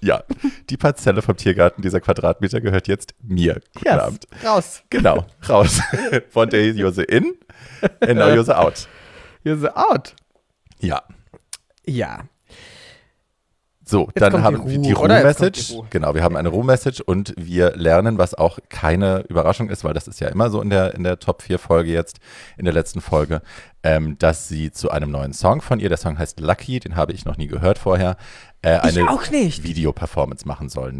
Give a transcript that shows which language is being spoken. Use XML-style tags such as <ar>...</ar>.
<de>Ja, die Parzelle vom Tiergarten, dieser Quadratmeter, gehört jetzt mir. Guten yes. Abend. Raus. Genau, raus.</de> <en>One day you're the in, and now you're the out. You're the out.</en> <de>Ja. Ja. So, jetzt dann haben wir die Ruhm-Message. Genau, wir haben eine Ruhm-Message und wir lernen, was auch keine Überraschung ist, weil das ist ja immer so in der Top-4-Folge jetzt, in der letzten Folge, dass sie zu einem neuen Song von ihr, der Song heißt Lucky, den habe ich noch nie gehört vorher, eine Video-Performance machen soll.</de>